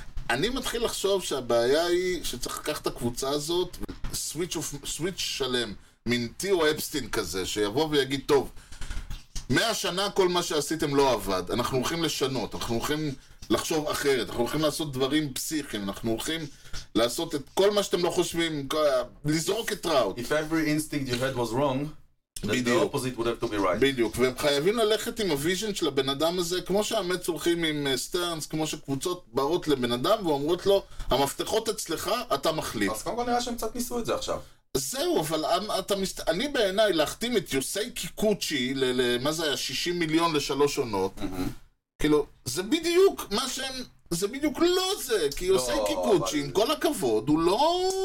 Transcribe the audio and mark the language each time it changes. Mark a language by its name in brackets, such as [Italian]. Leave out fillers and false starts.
[Hebrew] אני מתחיל לחשוב שהבעיה היא שצריך לקחת את הקבוצה הזאת, סוויץ' שלם, מין טיו אפסטין כזה, שיבוא ויגיד, טוב, 100 שנה כל מה שעשיתם לא עבד, אנחנו הולכים לשנות, אנחנו הולכים לחשוב אחרת, אנחנו הולכים לעשות דברים פסיכיים, אנחנו הולכים לעשות את כל מה שאתם לא חושבים, לזרוק את טראוט. [English] If every instinct you had was wrong, then the opposite would have to be right. [Hebrew] בדיוק, והם חייבים ללכת עם הוויז'ן של הבן אדם הזה, כמו שהמץ הולכים עם סטרנס, כמו שקבוצות באות לבן אדם ואומרות לו, המפתחות אצלך, אתה מחליט. אז קודם כל נראה שהם קצת ניסו את זה עכשיו. זהו, אבל אני בעיניי להחתים את יוסי קיקוצ'י למה זה היה 60 מיליון לשלוש עונות, כאילו, זה בדיוק מה שהם, זה בדיוק לא זה, כי יוסי קיקוצ'י, עם כל הכבוד, הוא לא...